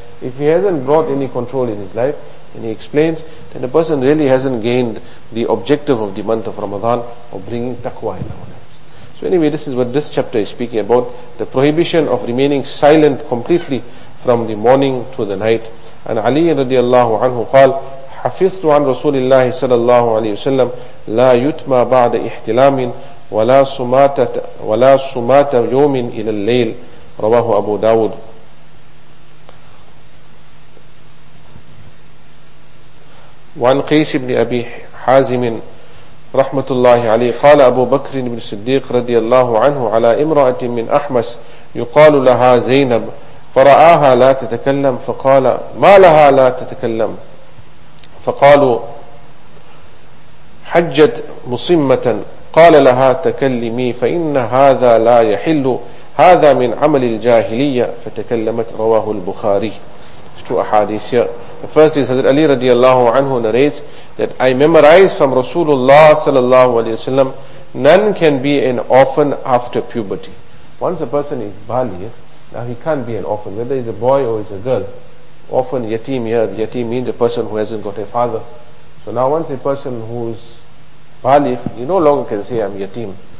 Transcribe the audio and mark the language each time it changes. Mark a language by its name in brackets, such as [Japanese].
[English] If he hasn't brought any control in his life, then he explains, then the person really hasn't gained the objective of the month of Ramadan, of bringing taqwa in our lives. So anyway, this is what this chapter is speaking about, the prohibition of remaining silent completely from the morning to the night. And Ali radiallahu anhu qal, [Arabic] حَفِظْتُ عَنْ رَسُولِ اللَّهِ صَلَى اللَّهُ عَلَيْهِ وَسَلَّمْ لَا يُتْمَى بَعْدَ إِحْتِلَامٍ وَلَا سُمَاتَ يَوْمٍ إِلَى اللَّيْلِ رواه أبو داود. وعن قيس بن أبي حازم رحمة الله عليه قال أبو بكر بن الصديق رضي الله عنه على امرأة من أحمس يقال لها زينب فرآها لا تتكلم فقال ما لها لا تتكلم فقالوا حجت مصمة قال لها تكلمي فإن هذا لا يحل هذا من عمل الجاهلية فتكلمت رواه البخاري. [English] Two ahadith here. The first is Hazrat Ali radiallahu anhu narrates that I memorized from Rasulullah sallallahu alayhi wa sallam, none can be an orphan after puberty. Once a person is baligh, now he can't be an orphan, whether he's a boy or he's a girl. Orphan, yatim here, yatim means a person who hasn't got a father. So now once a person who's baligh, he no longer can say I'm yatim.